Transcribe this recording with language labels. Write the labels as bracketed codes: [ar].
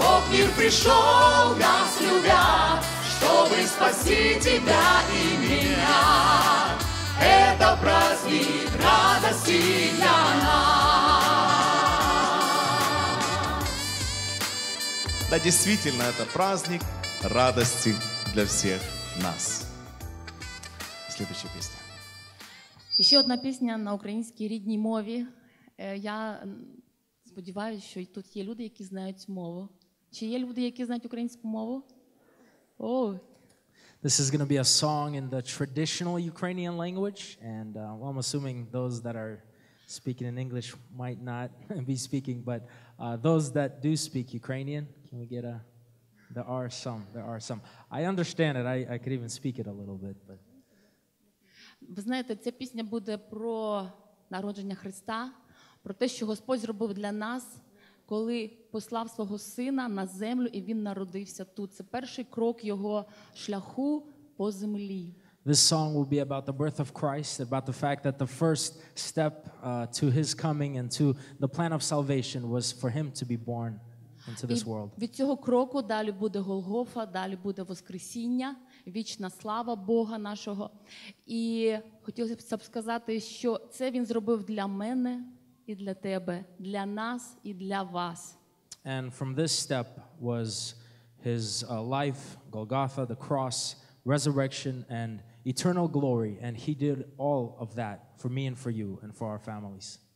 [ru] Мир пришел нас любя, чтобы спасти тебя и меня. Это праздник радости для нас. Да, действительно, это праздник радости для всех нас. Следующая песня. Еще одна песня на украинской [uk] рідній мові. Я сподіваюсь, що тут є люди, які знають мову. Чи є люди, які знають українську мову? О, [en] This is going to be a song in the traditional Ukrainian language, and well, I'm assuming those that are speaking in English might not be speaking, but those that do speak Ukrainian, can we get a... There are some. I understand it. I could even speak it a little bit, but... [uk] Ви знаєте, ця пісня буде про народження Христа, про те, що Господь зробив для нас, коли послав свого сина на землю, і він народився тут. Це перший крок його шляху по землі. [en] This song will be about the birth of Christ, about the fact that the first step to his coming and to the plan of salvation was for him to be born into this world. [uk] Від цього кроку далі буде Голгофа, далі буде Воскресіння, вічна слава Бога нашого. І хотілося б сказати, що це він зробив для мене і для тебе, для нас і для вас. [en] And from this step was his life, Golgotha, the cross, resurrection and eternal glory, and he did all of that for me and for you and for our families.